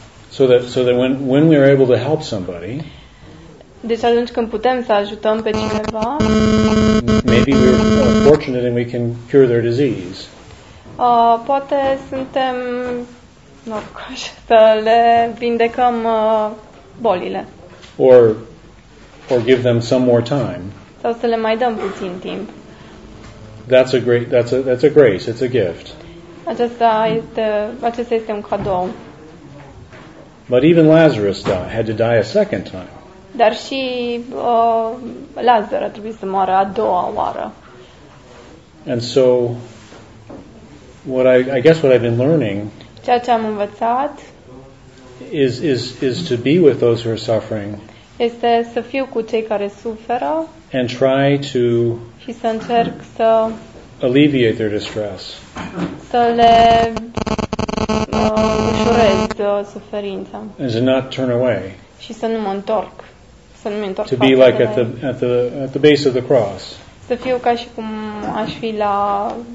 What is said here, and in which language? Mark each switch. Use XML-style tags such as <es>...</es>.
<en>So that when we are able to help somebody,</en> <ro>deci atunci când putem să ajutăm pe cineva,</ro> <en>maybe we are fortunate and we can cure their disease.</en> <ro>Poate suntem norocoși să le vindecăm bolile.</ro> <en>Or give them some more time.</en> <ro>Sau să le mai dăm puțin timp.</ro> <en>That's a grace. It's a gift.</en> <ro>Acesta este un cadou.</ro> <en>But even Lazarus had to die a second time.</en> <ro>Dar și Lazar a trebuit să moară a doua oară.</ro> <en>And so what I've been learning,</en> <ro>ceea ce am învățat,</ro> <en>is to be with those who are suffering.</en> <ro>Este să fiu cu cei care suferă.</ro> <en>And try to,</en> <ro>și să încerc să</ro> <en>alleviate their distress.</en> <ro>Să le ușurez suferința.</ro> <en>And to not turn away.</en> <ro>Și să nu mă întorc. Să nu mă întorc.</ro> <en>To be like at the base of the cross.</en> <ro>Să fiu ca și cum aș fi la</ro>